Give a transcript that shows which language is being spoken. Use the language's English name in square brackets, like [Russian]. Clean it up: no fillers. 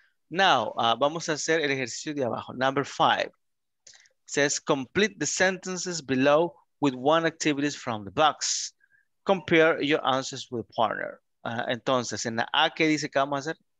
[English] Now, [Spanish] vamos a hacer el ejercicio de abajo. [English] Number 5. It says, complete the sentences below with one activity from the box. Compare your answers with a partner. [Spanish] Entonces, en la A, ¿qué dice que vamos a hacer?